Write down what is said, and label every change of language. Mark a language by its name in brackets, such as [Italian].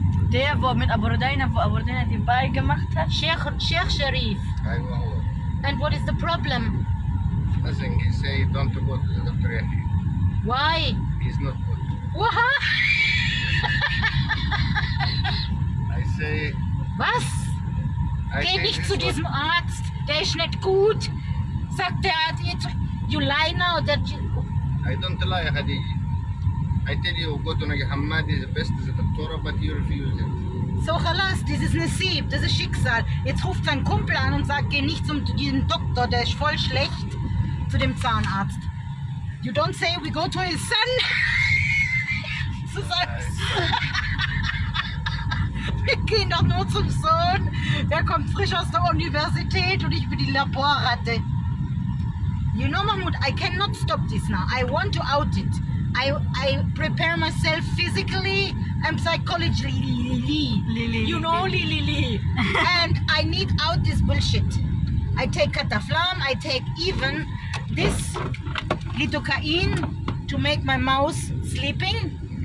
[German] Der, wo mit Aborodina, wo Aborodina den Ball gemacht hat? [English] Sheikh Sharif. And what is the problem? Nothing, he say don't go to the doctor. Why? He's not good. What? I say... [German] Was? Geh nicht zu diesem Arzt, der ist nicht gut. Sagt der Arzt, [English] you lie now that you... I don't lie, Hadiji. I tell you, go to Nagi Hammadi is the best as a doctor, but you refuse it. So, halas, this is Nasib, [German] das ist Schicksal. Jetzt ruft sein Kumpel an und sagt, geh nicht zu diesem Doktor, der ist voll schlecht, zu dem Zahnarzt. [English] You don't say, we go to his son. [German] So sagst du. Wir gehen doch nur zum Sohn. Der kommt frisch aus der Universität und ich bin die Laborratte. [English] You know, Mahmoud, I cannot stop this now. I want to out it. I prepare myself physically and psychologically. Lili. You know, Lili. And I need out this bullshit. I take Cataflam, I take even this lidocaine to make my mouse sleeping.